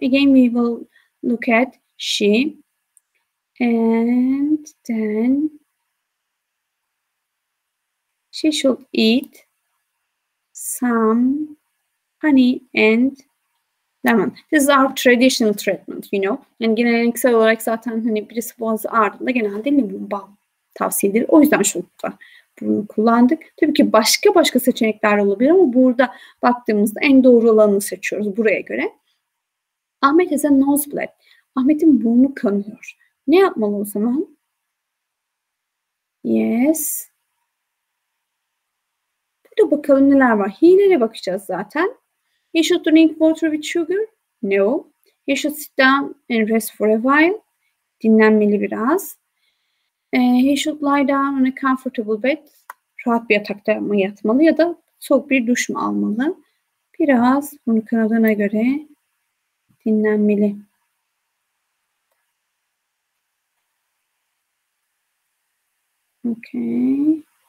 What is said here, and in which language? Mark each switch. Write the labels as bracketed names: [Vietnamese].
[English] Again we will look at she. And then she should eat some honey and lemon. This is our traditional treatment, you know. [Turkish] Yani geleneksel olarak zaten hani birisi boğazı ağrıdığında genelde limon bal tavsiye edilir. O yüzden şurada bunu kullandık. Tabii ki başka başka seçenekler olabilir ama burada baktığımızda en doğru olanı seçiyoruz buraya göre. [English] Ahmet has a nosebleed. [Turkish] Ahmet'in burnu kanıyor. Ne yapmalı o zaman? [English] Yes. [Turkish] Burada bakalım neler var. Hilere bakacağız zaten. [English] He should drink water with sugar. No. He should sit down and rest for a while. [Turkish] Dinlenmeli biraz. [English] He should lie down on a comfortable bed. [Turkish] Rahat bir yatakta mı yatmalı ya da soğuk bir duş mu almalı? Biraz bunu kanadına göre dinlenmeli. [English] Okay.